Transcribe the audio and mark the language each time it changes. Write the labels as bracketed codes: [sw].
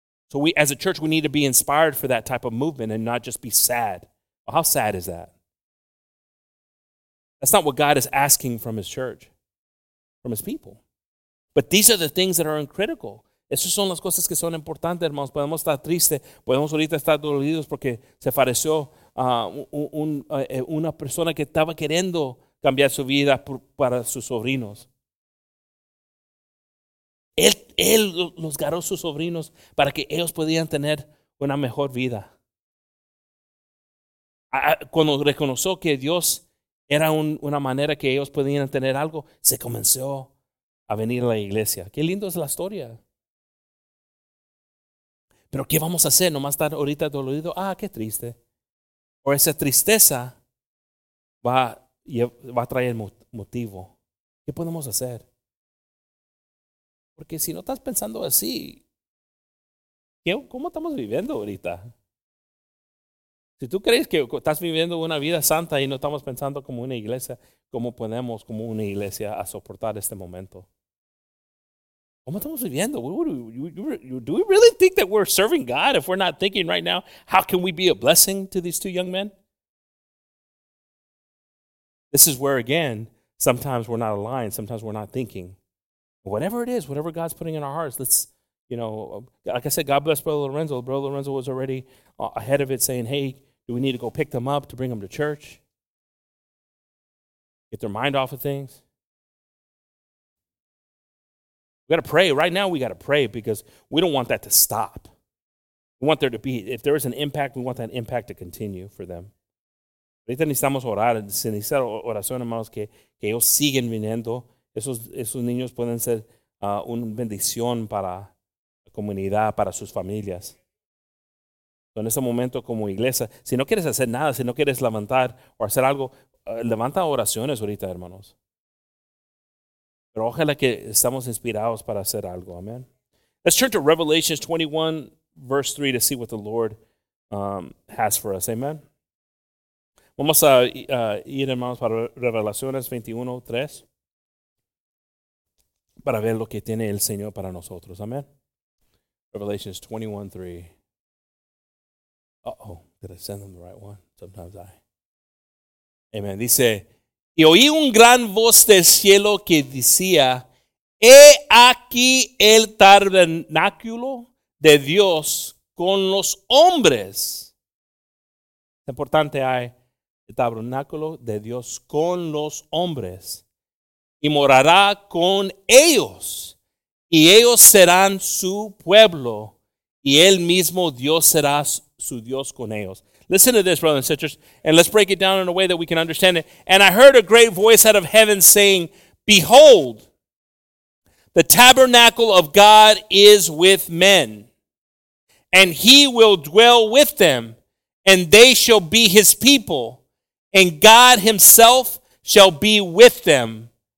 [en] So we, as a church, we need to be inspired for that type of movement and not just be sad. Well, how sad is that? That's not what God is asking from his church, from his people. But these are the things that are critical. [es] Esas son las cosas que son importantes, hermanos. Podemos estar tristes, podemos ahorita estar dolidos porque se apareció una persona que estaba queriendo cambiar su vida para sus sobrinos. Él los ganó sus sobrinos para que ellos pudieran tener una mejor vida. Cuando reconoció que Dios era una manera que ellos podían tener algo, se comenzó a venir a la iglesia. Qué lindo es la historia. Pero ¿qué vamos a hacer? Nomás estar ahorita dolorido. Ah, qué triste. O esa tristeza va a traer motivo. ¿Qué podemos hacer? Porque si no estás pensando así, ¿cómo estamos viviendo ahorita? Si tú crees que estás viviendo una vida santa y no estamos pensando como una iglesia, ¿cómo podemos como una iglesia a soportar este momento? ¿Cómo estamos viviendo? [en] Do we really think that we're serving God if we're not thinking right now, how can we be a blessing to these two young men? This is where, again, sometimes we're not aligned. Sometimes we're not thinking. Whatever it is, whatever God's putting in our hearts, let's, you know, like I said, God bless Brother Lorenzo. Brother Lorenzo was already ahead of it saying, hey, do we need to go pick them up to bring them to church? Get their mind off of things. We got to pray. Right now, we got to pray because we don't want that to stop. We want there to be, if there is an impact, we want that impact to continue for them. [es] Ahorita necesitamos orar, necesitar oración, hermanos, que ellos siguen viniendo. Esos niños pueden ser una bendición para la comunidad, para sus familias. En ese momento, como iglesia, si no quieres hacer nada, si no quieres levantar o hacer algo, levanta oraciones ahorita, hermanos. Pero ojalá que estamos inspirados para hacer algo. Amén. [en] Let's turn to Revelation 21, verse 3, to see what the Lord has for us. [es] Amén. Vamos a ir, hermanos, para Revelaciones 21, 3. Para ver lo que tiene el Señor para nosotros. [en] Amén. Revelations 21, 3. Uh-oh, did I send them the right one? Sometimes I. Amén. [es] Dice, y oí un gran voz del cielo que decía, he aquí el tabernáculo de Dios con los hombres. Es importante, hay el tabernáculo de Dios con los hombres. Y morará con ellos, y ellos serán su pueblo, y él mismo Dios será su Dios con ellos. [en] Listen to this, brothers and sisters, and let's break it down in a way that we can understand it. And I heard a great voice out of heaven saying, behold, the tabernacle of God is with men, and he will dwell with them, and they shall be his people, and God himself shall be with them.